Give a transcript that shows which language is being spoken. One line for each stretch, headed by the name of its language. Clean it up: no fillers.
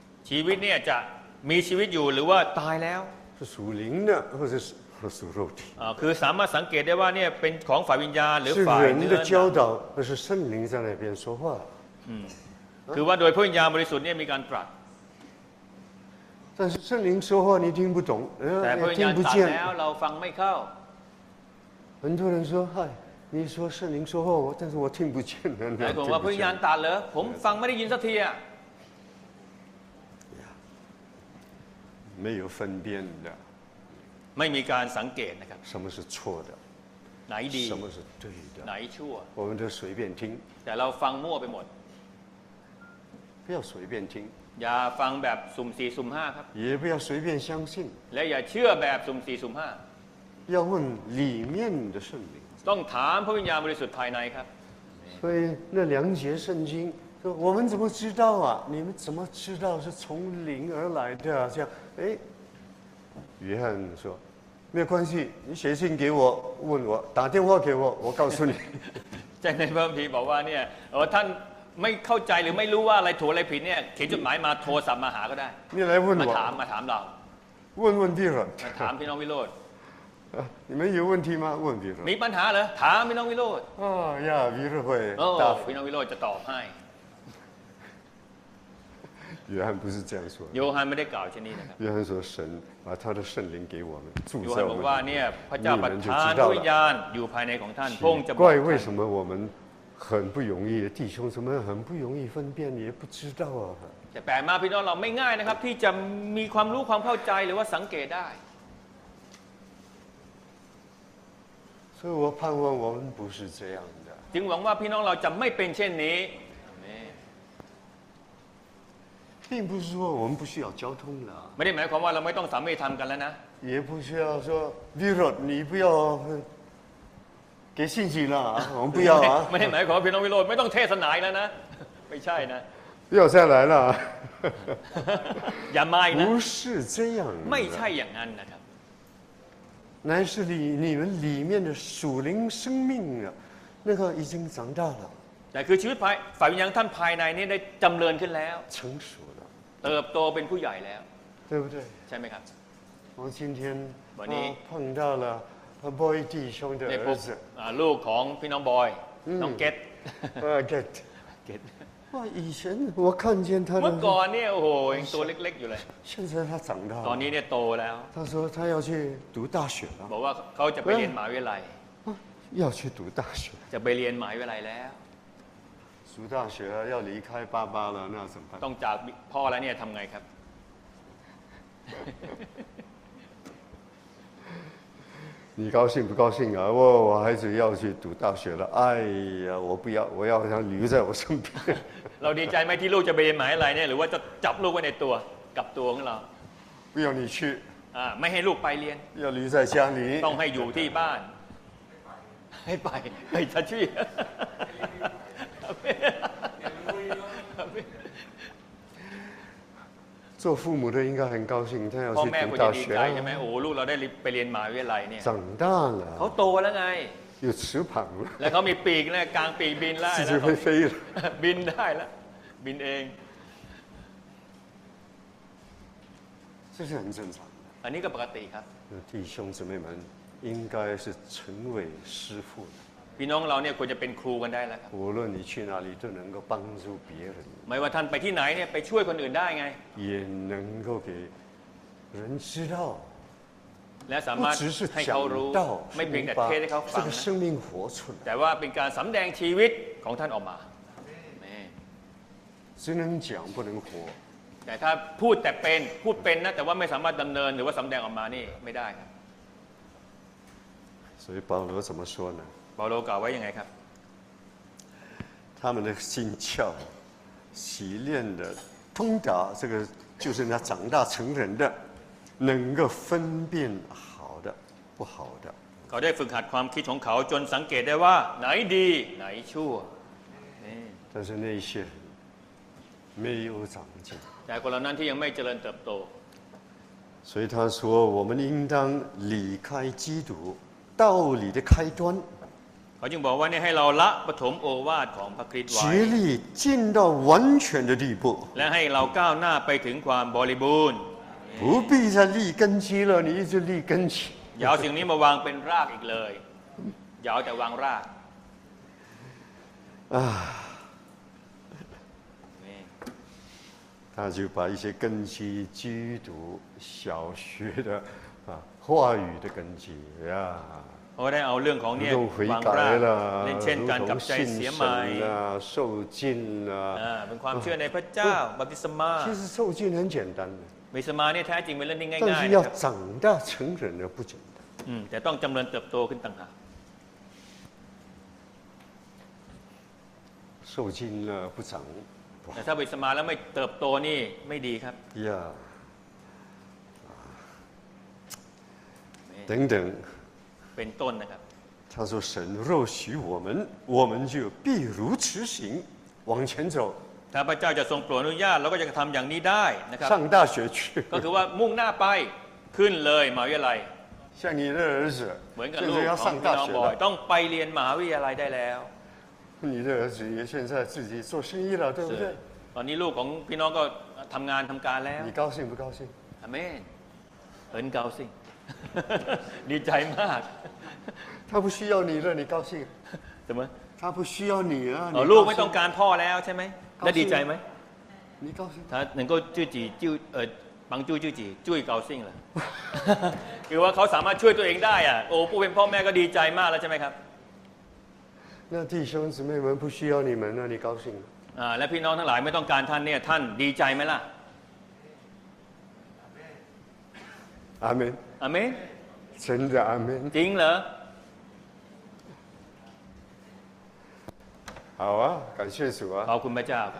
Thai: ชีวิตเนี่ยจะมีชีวิตอยู่หรือว่าตายแล้ว
Chinese: 是属灵的或是和属肉体。
Thai: คือสามารถสังเกตได้ว่าเนี่ยเป็นของฝ่ายวิญญาณหรือฝ่ายเนื้อหนังเป็นเรื่องเดียวกันไม่ใช่
Chinese: 圣灵在那边说话
Thai: คือว่าโดยพระวิญญาณบริสุทธิ์เนี่ยมีการตรัส
Chinese: 但是圣灵说话你听不懂
Thai: แต่พระวิญญาณตรัสแล้วเราฟังไม่เข้า
Chinese: 很多人说嗨你说圣灵说话但是我听不见
Thai: หลายคนว่าพระวิญญาณตรัสเหรอผมฟังไม่ได้ยินสักทีอ่ะ
Chinese: 没有分辨的
Thai: ไม่มีการสังเกตนะครับ
Chinese: 什么是错的
Thai: ไหนดี
Chinese: 什么是对的
Thai: ไหนชั่ว
Chinese: 我们都随便听
Thai: แต่เราฟังมั่วไปหมด
Chinese: 不要随便听
Thai: อย่าฟังแบบสุ่ม4สุ่ม5ครับ
Chinese: 也不要随便相信
Thai: และอย่าเชื่อแบบสุ่ม4สุ่ม5
Chinese: 要问里面的圣灵
Thai: ต้องถามพระวิญญาณบริสุทธิ์ภายในครับ
Chinese: 所以那两节圣经说我们怎么知道啊你们怎么知道是从灵而来的啊这样哎约翰说没有关系你写信给我问我打电话给我我告诉你在那边皮宝宝念哦他
Thai: ไม่เข้าใจหรือไม่รู้ว่าอะไรถูกอะไรผิดเนี่ยเขียนจดหมายมาโทรศัพท์มาหาก็ได้นี่อะไร มาถามมาถามเรา วันที่หรอ มาถามพี่น้องวิโรจน์
Chinese: 你们有问题吗问题
Thai: มีปัญหาเหรอถามพี่น้องวิโรจน์อ๋อย่าวิรุ ฒิพี่น้องวิโรจน์จะตอบให้
Chinese: ยูฮัน不是这样说
Thai: โยฮันไม่ได้กล่าวเช่นนี้นะครับ
Chinese: ยูฮัน说神把他的圣灵给我们住在我们
Thai: บอกว่าเนี่ยพระเจ้าประทานวิญญาณอยู่ภายในของท่านพงจะ บอกว่า
Chinese: 为什么我们很不容易弟兄怎么很不容易分辨也不知道啊
Thai: แต่แปลมาพี่น้องเราไม่ง่ายนะครับที่จะมีความรู้ความเข้าใจหรือว่าสังเกตได้
Chinese: 所以我盼望我们不是这样的
Thai: จึงหวังว่าพี่น้องเราจะไม่เป็นเช่นนี้
Chinese: 并不是说我们不需要交通了
Thai: ไม่ได้หมายความว่าเราไม่ต้องสามัคคีกันแล้วนะ
Chinese: 也不需要说李若你不要给信心啦，我们不要啊！没没，
Thai: ขอพี่น้องวิโรจน์ไม่ต้องเทศนาอีกแล้วนะไม่ใช่นะ
Chinese: 不要再来了
Thai: อย่ามาอีกนะ
Chinese: 不是这样
Thai: ไม่ใช่อย่างนั้นนะครับ
Chinese: 乃是你们里面的属灵生命啊那个已经长大了
Thai: แต่คือชีวิตฝ่ายวิญญาณท่านภายในนี้ได้จำเริญขึ้นแล้ว
Chinese: 成熟了
Thai: เติบโตเป็นผู้ใหญ่แล้ว
Chinese: 对不对
Thai: ใช่ไหมครับ
Chinese: 我今天
Thai: วันนี้
Chinese: 碰到了和 boy 弟兄的儿子
Thai: ลูกของพี่น้องบอยน้องเกต
Chinese: เกตว่า以前我看见他
Thai: เมื่อก่อนเนี่ยโอ้โหยังตัวเล็กๆอยู่เลย
Chinese: 现在他长大
Thai: ตอนนี้เนี่ยโตแล้ว
Chinese: 他说他要去读大学了
Thai: บอกว่าเขาจะไปเรียนมหาวิทยาลัย
Chinese: 要去读大学
Thai: จะไปเรียนมหาวิทยาลัยแล้ว
Chinese: 读大学要离开爸爸了那怎么办
Thai: ต้องจากพ่อแล้วเนี่ยทำไงครับ
Chinese: 你高兴不高兴啊？我孩子要去读大学了。哎呀，我不要，我要他留在我身边。
Thai: เราดีใจไหมที่ลูกจะไปเรียนมหาวิทยาลัยเนี่ยหรือว่าจะจับลูกไว้ในตัวกับตัวของเรา
Chinese: 不要你去。
Thai: ไม่ให้ลูกไปเรียน。
Chinese: 要留在家里。
Thai: ต้องให้อยู่ที่บ้าน。 ให้ไปไปจะชี
Chinese: 做父母的应该很高兴，他要去读大学。
Thai: พ่อแม่ดีใจใช่ไหมโอ้ลูกเราได้ไปเรียนมหาวิทยาลัยเนี่ย
Chinese: 长大了
Thai: เขาโตแล้วไง
Chinese: 有翅膀了
Thai: แล้วเขามีปีกแล้วกลางปีกบินได้
Chinese: 自己会飞了
Thai: บินได้แล้วบินเอง
Chinese: 这是很正常的
Thai: อันนี้ก็ปกติครับ
Chinese: 弟兄姊妹们应该是成为师父的
Thai: พี่น้องเราเนี่ยควรจะเป็นครูกันได้แล้วครั
Chinese: บ无论你去哪里都能够帮助别人
Thai: ไม่ว่าท่านไปที่ไหนเนี่ยไปช่วยคนอื่นได้ไง
Chinese: 也能够给人知道
Thai: และสามารถให้เขารู้ ไม่เพียงแต่เทศให้เขาฟั ง
Chinese: 这个生命活出
Thai: 来แต่ว่าเป็นการสำแดงชีวิตของท่านออกมา
Chinese: 只能讲不能活
Thai: แต่ถ้าพูดแต่เป็นพูดเป็นนะแต่ว่าไม่สามารถดำเนินหรือว่าสำแดงออกมานี่ไม่ได้ครับ
Chinese: 所以保罗怎么说呢保罗搞
Thai: ไว้ยังไงครับ
Chinese: 他们的心窍习练的通达这个就是他长大成人的能够分辨好的不好的
Thai: เขาได้ฝึกหัดความคิดของเขาจนสังเกตได้ว่าไหนดีไหนชั่ว
Chinese: 但是那些没有长进
Thai: แต่คนเหล่านั้นที่ยังไม่เจริญเติบโต
Chinese: 所以他说我们应当离开基督道理的开端
Thai: เขาจึงบอกว่าเนี่ยให้เราละปฐมโอวาทของพระคริสต์ไว้
Chinese: 竭力进到完全的地步
Thai: และให้เราก้าวหน้าไปถึงความบริบูรณ์
Chinese: 不必再立根基了你一直立根基
Thai: อย่าเอาสิ่งนี้มาวางเป็นรากอีกเลยอย่าเอาแต่วางราก
Chinese: 他就把一些根基基督小学的话语的根基呀我在
Thai: เอาเรื่องของเนี่ย วางรากเล่ นเช่นการกับใจเสียใหม่
Chinese: 受浸啊
Thai: เป็นความเชื่อในพระเจ้าบัพติศมา
Chinese: 其实受浸很简单的
Thai: บัพติศมาเนี่ยแท้จริงเป็นเรื่องง่ายๆ
Chinese: ครับ但是要长大成人的不简单
Thai: แต่ต้องจำเริญเติบโตขึ้นต่างหาก
Chinese: 受浸了不长
Thai: แต่ถ้าบัพติศมาแล้วไม่เติบโตนี่ไม่ดีครับ yeah. ดัง ๆเป็นต้นนะครับ
Chinese: 他说神若许我们我们就必如此行往前走
Thai: ถ้าพระเจ้าจะทรงโปรดอนุญาตเราก็จะทำอย่างนี้ได้นะครับ
Chinese: 上大学去
Thai: ก็คือว่ามุ่งหน้าไปขึ้นเลยมหาวิทยาลัย
Chinese: 像你的儿子现在要上大学了
Thai: ต้องไปเรียนมหาวิทยาลัยได้แล้ว
Chinese: 你的儿子也现在自己做生意了，对不对？
Thai: ตอนนี้ลูกของพี่น้องก็ทำงานทำการแล้ว
Chinese: 你高兴不高兴？阿门，很高兴，
Thai: ดีใจมาก
Chinese: 他不需要你了，你高兴？怎么？他不需要你
Thai: 了，ลูกไม่ต้องการพ่อแล้วใช่ไหม？那ดีใจไ
Chinese: หม？ 你高兴？他能够自己就帮助自己，就会高兴了。
Thai: คือว่าเขาสามารถช่วยตัวเองได้อ่ะโอ้ผู้เป็นพ่อแม่ก็ดีใจมากแล้วใช่ไหมครับ
Chinese: 那弟兄姊妹们不需要你们了，你高兴？
Thai: และพี่น้องทั้งหลายไม่ต้องการท่านเนี่ยท่านดีใจไหมล่ะ
Chinese: 阿门阿门真的阿门
Thai: จริงเหร
Chinese: อ好啊感谢主啊
Thai: ขอบคุณพระเจ้า